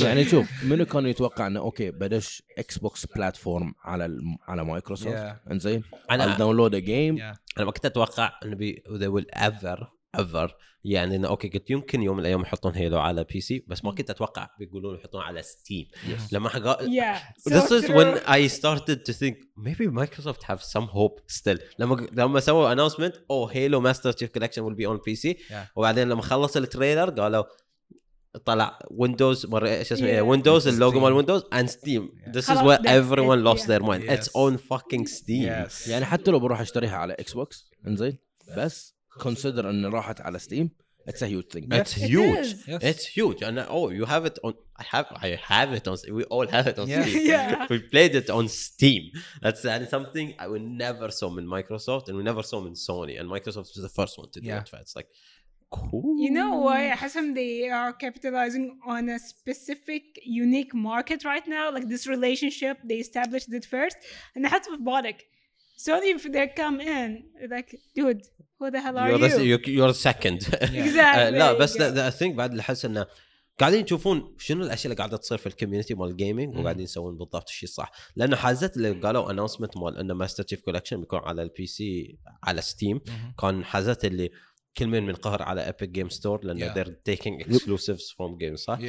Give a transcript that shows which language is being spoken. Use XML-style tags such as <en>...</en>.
<ar>يعني شوف منو كان يتوقع إنه أوكي بدش Xbox platform على Microsoft إنزين</ar> <en>I'll download a game.</en> <ar>أنا ما كنت أتوقع إنه</ar> <en>they will ever</en> <ar>يعني إنه أوكي قلت يمكن يوم من الأيام يحطون هيلو على PC بس ما كنت أتوقع بيقولون يحطون على Steam. لما حقا</ar> <en>This is when I started to think maybe Microsoft have some hope still.</en> <ar>لما سووا</ar> <en>announcement Halo Master Chief Collection will be on PC</en> <ar>وبعدين لما خلص التريلر قالوا طلع ويندوز مرة إيش اسمه ويندوز اللوجو مال ويندوز and Steam.</ar> <en>This is where everyone lost their mind. It's on fucking Steam.</en> <ar>يعني حتى لو بروح أشتريها على Xbox إنزين بس consider أن راحت على ستيم</ar> <en>It's a huge thing. It's huge. It's huge. And oh, you have it on. I have it on. We all have it on Steam. We played it on Steam. That's something I would never saw in Microsoft, and we never saw in Sony. And Microsoft was the first one to do it. It's like, cool. You know why, Hasan? They are capitalizing on a specific, unique market right now. Like this relationship, they established it first, and that's with Botic. Sony, if they come in, like, dude, who the hell you're are the, you? You're second. Exactly. No, but the thing</en> <ar>بعد اللي حسنا قاعدين يشوفون شنو الأشياء اللي قاعدة تصير في الكوميونتي مال جيمينج وقاعدين يسوون بالضبط الشيء صح. لأنه حازت اللي قالوا announcement مال إنه Master Chief Collection بيكون على البي سي على ستيم كان حازت اللي كل من قهر على Epic Game Store لأنه</ar> <en>they're taking exclusives from games</en> <ar>صح.</ar>